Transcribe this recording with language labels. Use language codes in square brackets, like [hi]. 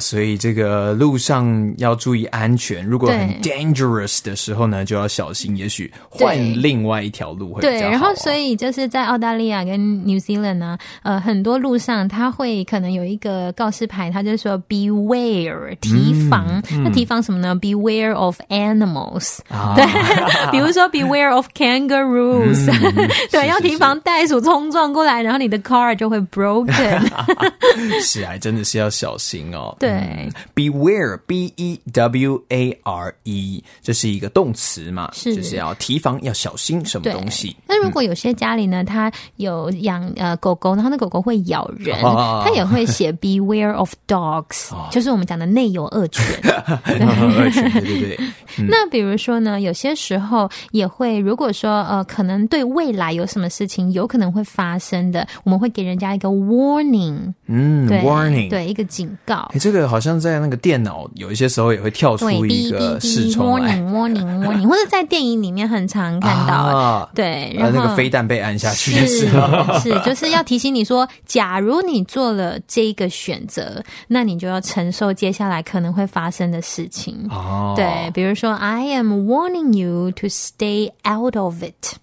[zh] 所以这个路上要注意安全。如果很 dangerous 的时候呢，就要小心。也许换另外一条路会比较好、啊。对，然后所以就是在澳大利亚跟 New Zealand 呢，很多路上他会可能有一个告示牌，他就说 beware 提防、嗯。那提防什么呢 ？ [en] Beware of animals、 [zh] 啊。对，比如说 [en] beware of kangaroos、嗯。 [zh] 对，是是是，要提防袋鼠冲撞过来，然后你的 car 就会 broken。是啊，真的是要小心哦。对、嗯、 Beware, B-E-W-A-R-E 这是一个动词嘛，是就是要提防要小心什么东西。那如果有些家里呢他有养狗狗，然后那狗狗会咬人、哦、他也会写 [en] Beware of dogs、哦、 [zh] 就是我们讲的内有恶犬。对对对、嗯、那比如说呢，有些时候也会，如果说可能对未来有什么事情有可能会发生的，我们会给人家一个 warning。 [en] 嗯， warning， [zh] 对，一个警告、欸、这个好像在那个电脑有一些时候也会跳出一个视窗来 warning 或者在电影里面很常看到、啊、对，然后那个飞弹被按下去的时候 是就是要提醒你说，假如你做了这个选择，那你就要承受接下来可能会发生的事情、哦、对，比如说 [en] I am warning you to stay out of it、